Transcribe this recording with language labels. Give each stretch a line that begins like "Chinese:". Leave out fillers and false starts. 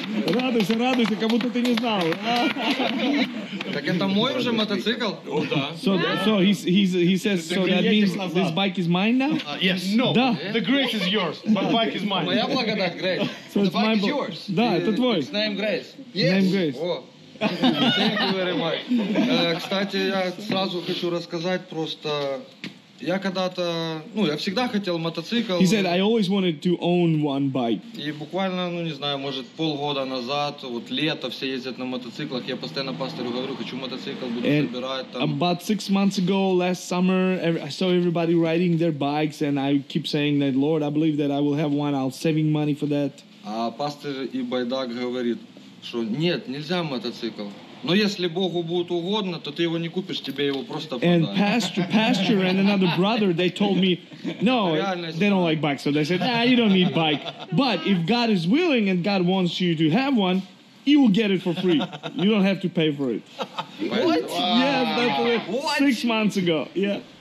Russian: Радуйся, радуйся, как будто ты не знал. Так это мой уже мотоцикл? О, да.
English: So he says, so that means this bike is mine now? Yes. No, the Grace is yours, but bike is mine.
Russian: Моя благодать,
English: Grace. So the bike is yours.
Russian: Да, это твой.
English: It's name Grace. Yes. Name Grace. Thank you very much.
Russian: Кстати, я сразу хочу рассказать просто... Я когда-то, ну, я всегда хотел мотоцикл.
English: He said, I always wanted to own one bike.
Russian: И буквально, ну, не знаю, может, полгода назад, вот лето, все ездят на мотоциклах. Я постоянно пастору говорю, хочу мотоцикл, буду
English: and
Russian: собирать там.
English: About 6 months ago, last summer, I saw everybody riding their bikes, and I keep saying that, Lord, I believe that I will have one, I'll saving money for that.
Russian: А пастор и байдак говорит, что нет, нельзя мотоцикл. Но если Богу будет угодно, то ты его не купишь, тебе его просто продают.
English: And pastor and another brother, they told me, no, they don't like bikes. So they said, you don't need bike. But if God is willing and God wants you to have one, you will get it for free. You don't have to pay for it. What? Yeah, 6 months ago, yeah.